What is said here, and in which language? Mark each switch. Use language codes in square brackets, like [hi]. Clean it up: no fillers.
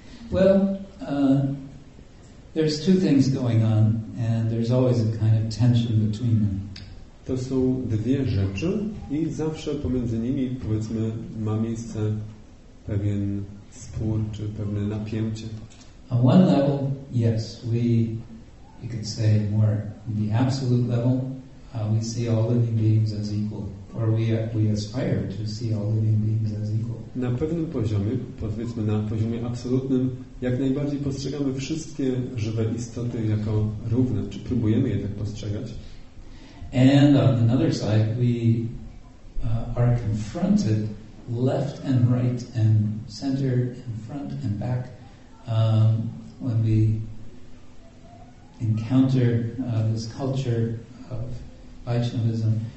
[en] Well, there's two things going on, and there's always a kind of tension between them. [pl] To są dwie rzeczy i zawsze pomiędzy nimi, powiedzmy, ma miejsce pewien spór czy pewne napięcie. [en] On one level, yes, we could say more the absolute level, we see all living beings as equal, or we aspire to see all living beings as equal. [pl] Na pewnym poziomie, powiedzmy na poziomie absolutnym, jak najbardziej postrzegamy wszystkie żywe istoty jako równe, czy próbujemy je tak postrzegać. [en] And on another side, we are confronted left and right and center and front and back when we encounter this culture of Vaishnavism.